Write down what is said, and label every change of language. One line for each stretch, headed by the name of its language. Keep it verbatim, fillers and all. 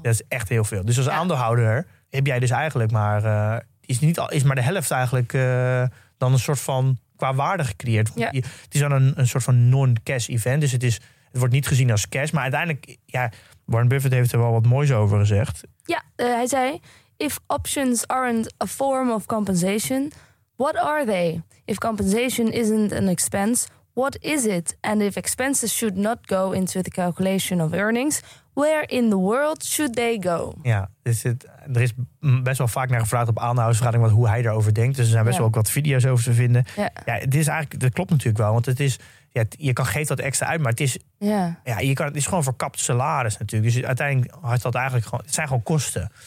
Dutch: Dat is echt heel veel. Dus als ja. aandeelhouder heb jij dus eigenlijk maar, uh, is, niet al, is maar de helft eigenlijk uh, dan een soort van qua waarde gecreëerd. Ja. Het is dan een, een soort van non-cash event. Dus het, is, het wordt niet gezien als cash. Maar uiteindelijk, ja, Warren Buffett heeft er wel wat moois over gezegd. Ja, uh, hij zei...
English: If options aren't a form of compensation, what are they? If compensation isn't an expense, what is it? And if expenses should not go into the calculation of earnings, where in the world should they go?
Dutch: Ja, dus het, er is best wel vaak naar gevraagd op aandeelhoudersvergadering wat hoe hij daarover denkt. Dus er zijn best ja. wel ook wat video's over te vinden. Ja, ja het is eigenlijk, dat klopt natuurlijk wel, want het is, ja, je kan geeft dat extra uit, maar het is, ja. Ja, je kan, het is gewoon verkapt salaris natuurlijk. Dus uiteindelijk had dat eigenlijk gewoon, het zijn gewoon kosten.